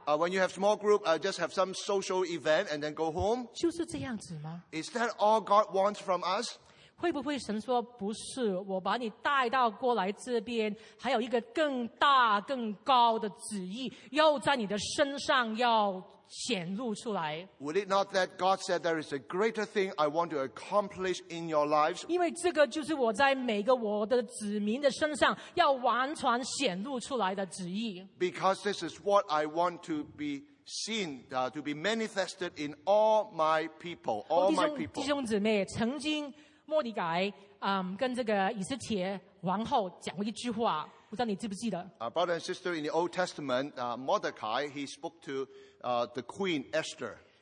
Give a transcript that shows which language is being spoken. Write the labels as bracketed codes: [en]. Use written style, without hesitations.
[en] When you have small group, just have some social event and then go home. [zh] 就是这样子吗? [en] Is that all God wants from us? [zh] 会不会神说不是？我把你带到过来这边，还有一个更大、更高的旨意要在你的身上要显露出来。 [en] Would it not that God said there is a greater thing I want to accomplish in your lives? [zh] 因为这个就是我在每个我的子民的身上要完全显露出来的旨意。 [en] Because this is what I want to be seen, to be manifested in all my people, all my people. [zh] 弟兄姊妹，曾经。莫迪改跟这个以色列王后讲过一句话，不知道你记不记得？ [en] Brother and sister, in the Old Testament, Mordecai he spoke to the Queen Esther.